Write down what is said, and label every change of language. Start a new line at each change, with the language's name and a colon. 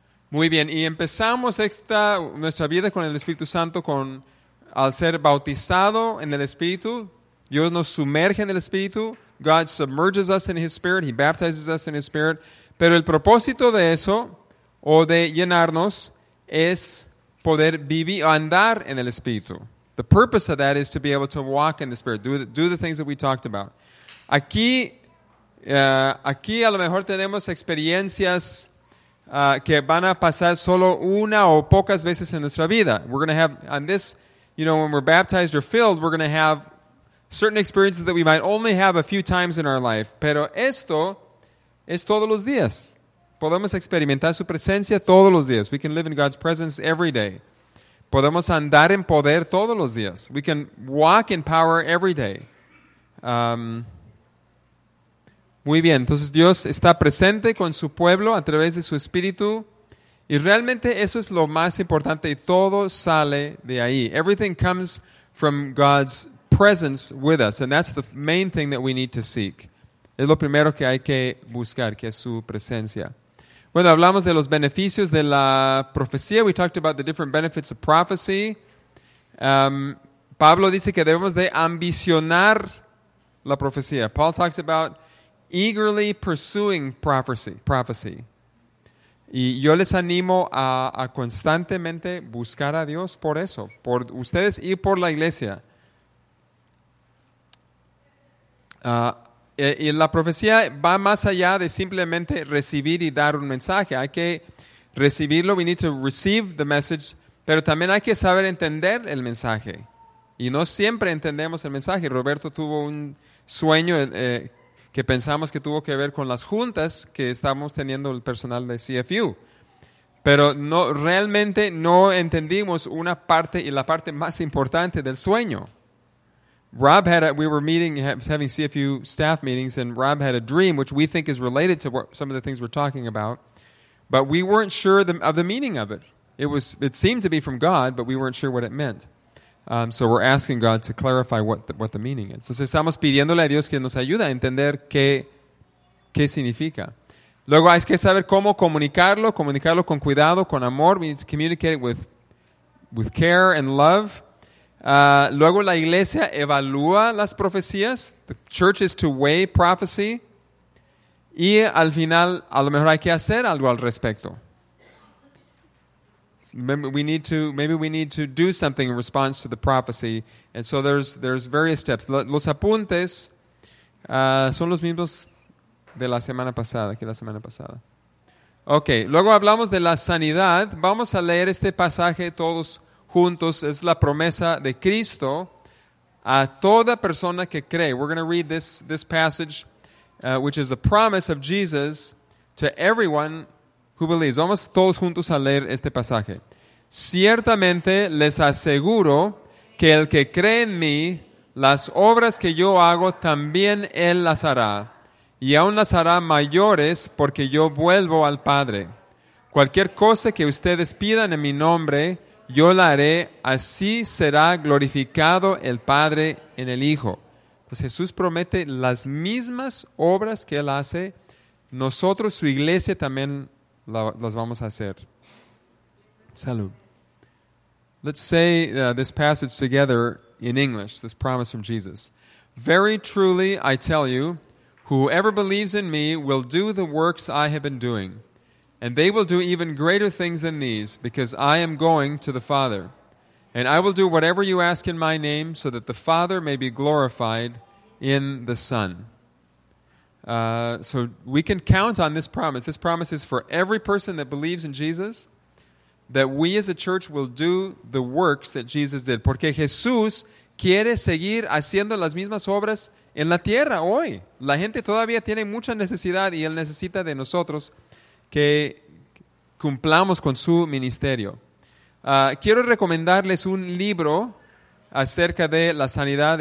Spanish: Muy bien, y empezamos nuestra vida con el Espíritu Santo al ser bautizado en el Espíritu. Dios nos sumerge en el Espíritu.
English: God submerges us in His Spirit. He baptizes us in His Spirit.
Spanish: Pero el propósito de eso, o de llenarnos, es poder vivir, andar en el Espíritu.
English: The purpose of that is to be able to walk in the Spirit, do the things that we talked about.
Spanish: Aquí a lo mejor tenemos experiencias que van a pasar solo una o pocas veces en nuestra vida.
English: We're going to have, on this, you know, when we're baptized or filled, we're going to have certain experiences that we might only have a few times in our life.
Spanish: Pero esto es todos los días. Podemos experimentar su presencia todos los días.
English: We can live in God's presence every day.
Spanish: Podemos andar en poder todos los días.
English: We can walk in power every day.
Spanish: Muy bien. Entonces Dios está presente con su pueblo a través de su Espíritu. Y realmente eso es lo más importante. Y todo sale de ahí.
English: Everything comes from God's presence with us, and that's the main thing that we need to seek.
Spanish: Es lo primero que hay que buscar, que es su presencia. Bueno, hablamos de los beneficios de la profecía.
English: We talked about the different benefits of prophecy.
Spanish: Pablo dice que debemos de ambicionar la profecía.
English: Paul talks about eagerly pursuing prophecy.
Spanish: Y yo les animo a constantemente buscar a Dios por eso, por ustedes y por la iglesia. Y la profecía va más allá de simplemente recibir y dar un mensaje. Hay que recibirlo,
English: we need to receive the message,
Spanish: pero también hay que saber entender el mensaje. Y no siempre entendemos el mensaje. Roberto tuvo un sueño que pensamos que tuvo que ver con las juntas que estábamos teniendo el personal de CFU. Pero no, realmente no entendimos una parte y la parte más importante del sueño.
English: Rob had a, we were meeting, having CFU staff meetings, and Rob had a dream, which we think is related to what, some of the things we're talking about. But we weren't sure of the meaning of it. It seemed to be from God, but we weren't sure what it meant. So we're asking God to clarify what the meaning is.
Spanish: Entonces estamos pidiéndole a Dios que nos ayude a entender qué significa. Luego hay que saber cómo comunicarlo con cuidado, con amor.
English: We need to communicate it with care and love.
Spanish: Luego la iglesia evalúa las profecías.
English: The church is to weigh prophecy.
Spanish: Y al final, a lo mejor hay que hacer algo al respecto.
English: Maybe we need to do something in response to the prophecy. And so there's various steps.
Spanish: Los apuntes son los mismos de la semana pasada, que la semana pasada. Okay, luego hablamos de la sanidad. Vamos a leer este pasaje todos juntos. Es la promesa de Cristo a toda persona que cree.
English: We're going to read this passage, which is the promise of Jesus to everyone who believes.
Spanish: Vamos todos juntos a leer este pasaje. Ciertamente les aseguro que el que cree en mí, las obras que yo hago también él las hará, y aún las hará mayores porque yo vuelvo al Padre. Cualquier cosa que ustedes pidan en mi nombre, yo la haré, así será glorificado el Padre en el Hijo. Pues Jesús promete las mismas obras que Él hace, nosotros, su iglesia, también las vamos a hacer. Salud.
English: Let's say this passage together in English, this promise from Jesus. Very truly I tell you, whoever believes in me will do the works I have been doing. And they will do even greater things than these, because I am going to the Father. And I will do whatever you ask in my name, so that the Father may be glorified in the Son. So we can count on this promise. This promise is for every person that believes in Jesus, that we as a church will do the works that Jesus did.
Spanish: Porque Jesús quiere seguir haciendo las mismas obras en la tierra hoy. La gente todavía tiene mucha necesidad y Él necesita de nosotros que cumplamos con su ministerio. Quiero recomendarles un libro acerca de la sanidad.